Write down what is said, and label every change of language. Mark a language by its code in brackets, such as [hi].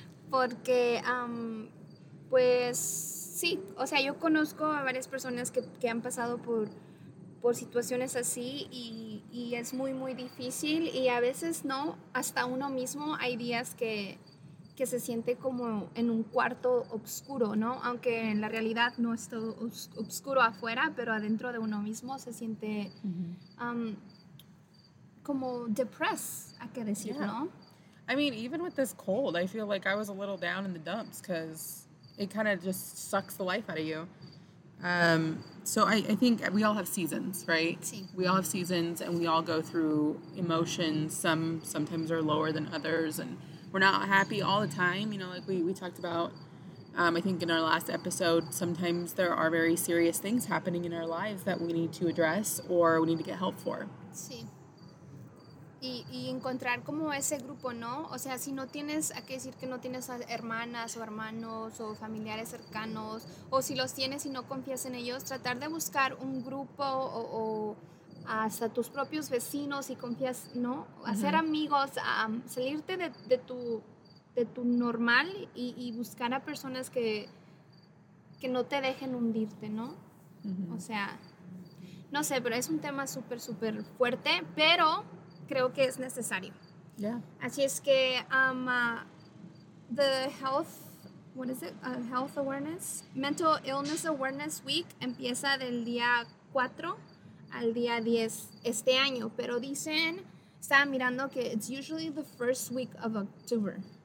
[es] Porque, pues, sí, o sea, yo conozco a varias personas que han pasado por situaciones así y es muy, muy difícil, y a veces no, hasta uno mismo hay días que se siente como en un cuarto oscuro, ¿no? Aunque en la realidad no es todo oscuro afuera, pero adentro de uno mismo se siente como depressed, hay que decir, ¿no? [en] I mean, even with this cold, I feel like I was a little down in the dumps because it kind of just sucks the life out of you. So I think we all have seasons, right? [es] Sí. [en] We all have seasons and we all go through emotions. Some sometimes are lower than others and we're not happy all the time. You know, like we talked about, I think in our last episode, sometimes there are very serious things happening in our lives that we need to address or we need to get help for. [es] Sí. Y encontrar como ese grupo, ¿no? O sea, si no tienes, hay que decir que no tienes hermanas o hermanos o familiares cercanos, o si los tienes y no confías en ellos, tratar de buscar un grupo o hasta tus propios vecinos y confías, ¿no? Hacer amigos, salirte de tu normal y buscar a personas que no te dejen hundirte, ¿no? O sea, no sé, pero es un tema súper, súper fuerte, pero creo que es necesario. [en] Yeah. [es] Así es que [en] the health, what is it? Health awareness, mental illness awareness week [es] empieza del día 4 al día 10 este año, pero dicen, estaba mirando que [en] it's usually the first week of October.